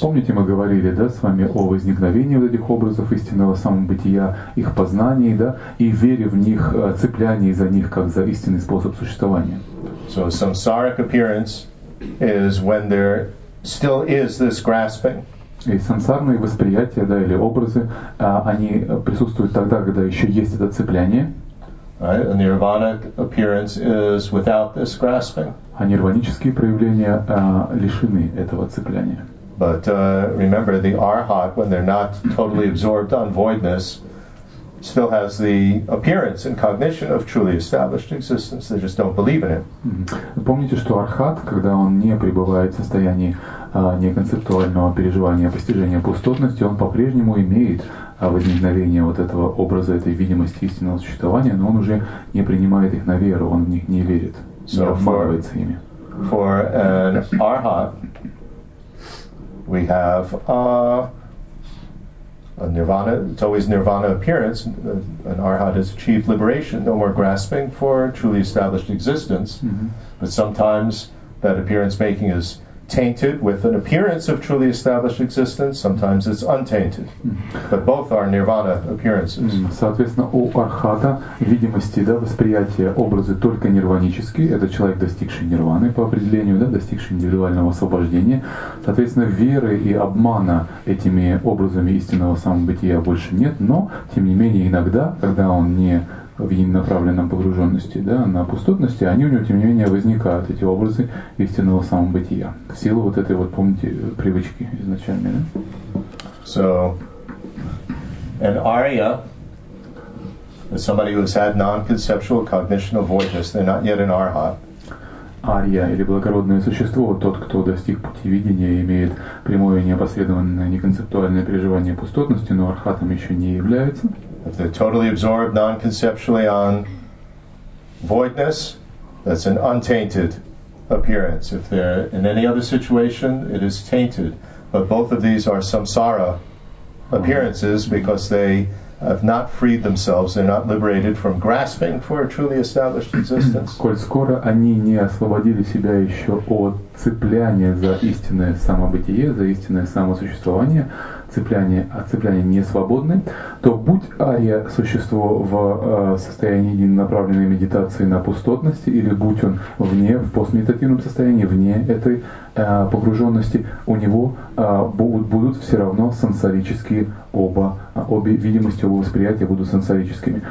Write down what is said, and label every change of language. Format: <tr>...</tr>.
<ru>Помните, мы говорили, да, с вами о возникновении вот этих образов истинного самобытия, их познании, да, и вере в них, цеплянии за них как за истинный способ существования.</ru> <en>So a samsaric appearance is when there still is this grasping.</en> <ru>И сансарные восприятия, да, или образы, они присутствуют тогда, когда еще есть это цепляние.</ru> <en>Right? A nirvanic appearance is without this grasping.</en> <ru>А нирванические проявления лишены этого цепляния.</ru> <en>But remember, the arhat, when they're not totally absorbed on voidness, still has the appearance and cognition of truly established existence. They just don't believe in it.</en> <ru>Помните, что архат, когда он не пребывает в состоянии неконцептуального переживания, постижения пустотности, он по-прежнему имеет возникновение вот этого образа, этой видимости истинного существования, но он уже не принимает их на веру, он в них не верит, не обманывается ими.</ru> <en>For an arhat, we have a nirvana, it's always nirvana appearance. An arhat has achieved liberation, no more grasping for truly established existence. Mm-hmm. But sometimes that appearance making is tainted with an appearance of truly established existence, sometimes it's untainted. But both are nirvana appearances.</en> <ru>Соответственно, у архата видимости, да, восприятия, образы только нирванические. Это человек, достигший нирваны по определению, да, достигший индивидуального освобождения. Соответственно, веры и обмана этими образами истинного самобытия больше нет. Но, тем не менее, иногда, когда он не в направленном погруженности, да, на пустотности, они у него, тем не менее, возникают, эти образы истинного самобытия, в силу вот этой вот, помните, привычки изначальной. Да?</ru> <en>So, an arya is somebody who has had non-conceptual cognition avoidance, they're not yet an arhat.</en> <ru>Ария или благородное существо, тот, кто достиг пути видения, имеет прямое непосредственное неконцептуальное переживание пустотности, но архатом еще не является.</ru> <en>If they're totally absorbed non-conceptually on voidness, that's an untainted appearance. If they're in any other situation, it is tainted. But both of these are samsara appearances because they have not freed themselves, they're not liberated from grasping for a truly established existence.</en> <ru>Коль скоро они не освободили себя еще от цепляния за истинное самобытие, за истинное самосуществование, цепляние, от цепляния не свободны, то будь ария существо в состоянии единонаправленной медитации на пустотности, или будь он вне, в постмедитативном состоянии, вне этой погруженности, у него будут все равно сенсорические обе видимости, оба восприятия будут сенсорическими.</ru>